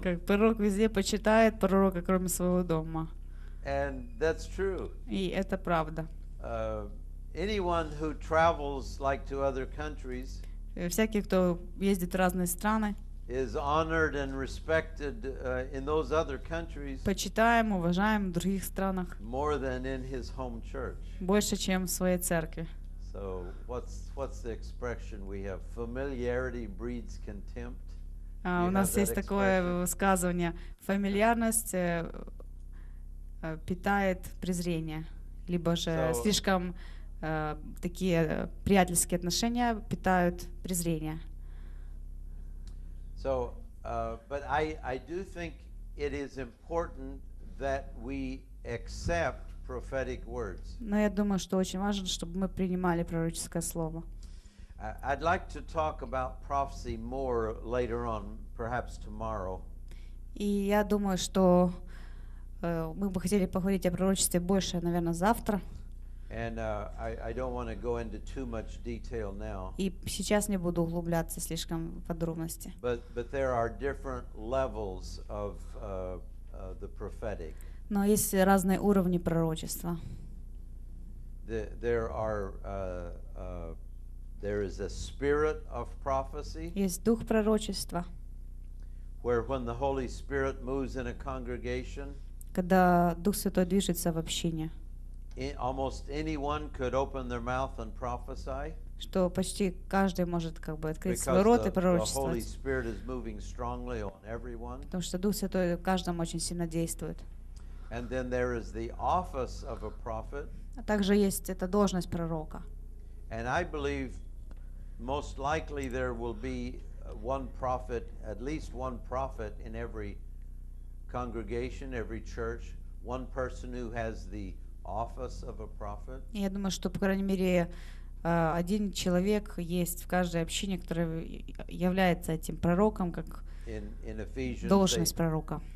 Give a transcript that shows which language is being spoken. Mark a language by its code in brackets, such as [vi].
[ru] Как пророк везде почитает пророка, кроме своего дома. [en] And that's true. [ru] И это правда. [en] Anyone who travels like to other countries, [ru] всякий, кто ездит в разные страны, [en] is honored and respected in those other countries. [ru] Почитаем, уважаем в других странах. [en] More than in his home church. [ru] Больше, чем в своей церкви. [en] So what's the expression we have? Familiarity breeds contempt. [ru] У нас есть такое высказывание: фамильярность питает презрение, либо же слишком такие приятельские отношения питают презрение. [en] So, but I do think it is important that we accept prophetic words. [ru] Но я думаю, что очень важно, чтобы мы принимали пророческое слово. [en] I'd like to talk about prophecy more later on, perhaps tomorrow. [ru] И я думаю, что мы бы хотели поговорить о пророчестве больше, наверное, завтра. [en] And I don't want to go into too much detail now. [ru] И сейчас не буду углубляться слишком в подробности. [en] But there are different levels of the prophetic. [ru] Но есть разные уровни пророчества. [en] There is a spirit of prophecy. [ru] Есть дух пророчества. [en] Where when the Holy Spirit moves in a congregation. [ru] Когда Дух Святой движется в общине. [en] Almost anyone could open their mouth and prophesy. [ru] Что почти каждый может как бы открыть свой рот и пророчествовать. [en] Because the Holy Spirit is moving strongly on everyone. [ru] Потому что Дух Святой в каждом очень сильно действует. [en] And then there is the office of a prophet. [ru] А также есть эта должность пророка. [en] And I believe most likely there will be one prophet, at least one prophet in every congregation, every church, one person who has the office of a prophet. [ru] Я думаю, что по крайней мере один человек есть в каждой общине, который является этим пророком, как должность пророка.